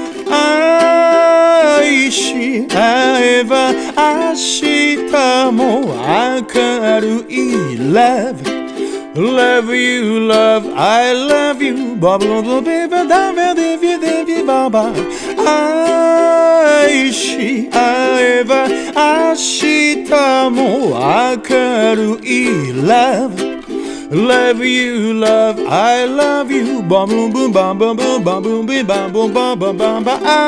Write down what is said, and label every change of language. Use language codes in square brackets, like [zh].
[ja] 愛し合えば明日も明るい。 [en] Love, love you, love, I love you. [ja] バブロドビバダベデビデビババ。愛し合えば明日も明るい。 [en] Love, love you, love, I love you. バブンブンバブンブンバブンビバブンバブンバンバ。